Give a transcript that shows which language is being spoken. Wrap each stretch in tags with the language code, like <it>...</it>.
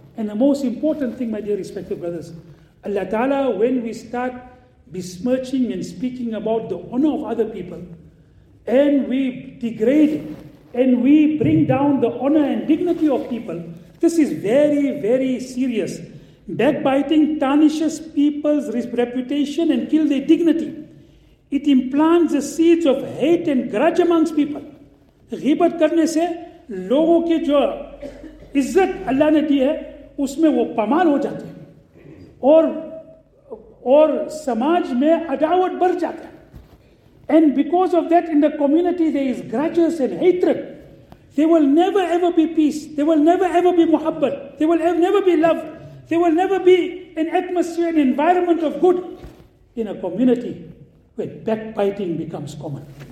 <en>And the most important thing, my dear respected brothers, Allah Ta'ala, when we start besmirching and speaking about the honor of other people, and we degrade and we bring down the honor and dignity of people, this is very, very serious. Backbiting tarnishes people's reputation and kills their dignity. It implants the seeds of hate and grudge amongst people.</en> <ur>Ghibat karne se logon ke jo izzat Allah ne di hai, اس میں وہ پامال ہو جاتے ہیں اور سماج میں عداوت بڑھ جاتا ہے.</ur> <en>And because of that, in the community there is grudges and hatred. There will never ever be peace. There will never ever be muhabbat. There will never be love. There will never be an atmosphere, an environment of good in a community where backbiting becomes common.</en>